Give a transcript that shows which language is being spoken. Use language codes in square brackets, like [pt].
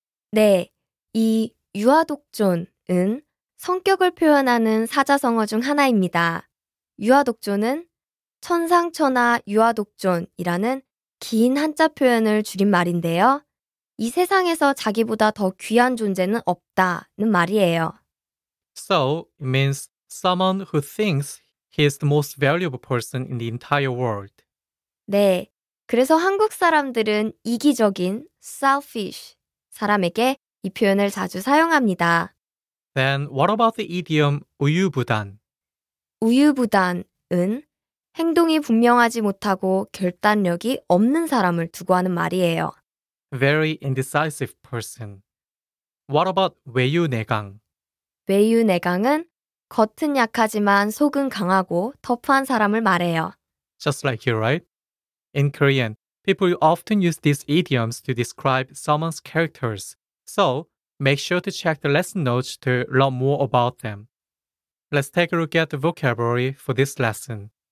[ko] 네, 이 유아독존은 성격을 표현하는 사자성어 중 하나입니다. 유아독존은 천상천하 유아독존이라는 긴 한자 표현을 줄인 말인데요. 이 세상에서 자기보다 더 귀한 존재는 없다는 말이에요. [en] So, it means someone who thinks he is the most valuable person in the entire world. [ko] 네, 그래서 한국 사람들은 이기적인 selfish 사람에게 이 표현을 자주 사용합니다. [en] Then what about the idiom 우유부단? [ko] 우유부단은 행동이 분명하지 못하고 결단력이 없는 사람을 두고 하는 말이에요. [en] Very indecisive person. What about 외유내강? [ko] 외유내강은 겉은 약하지만 속은 강하고 터프한 사람을 말해요. [en] Just like you, right? In Korean, people often use these idioms to describe someone's characters. So, make sure to check the lesson notes to learn more about them. Let's take a look at the vocabulary for this lesson.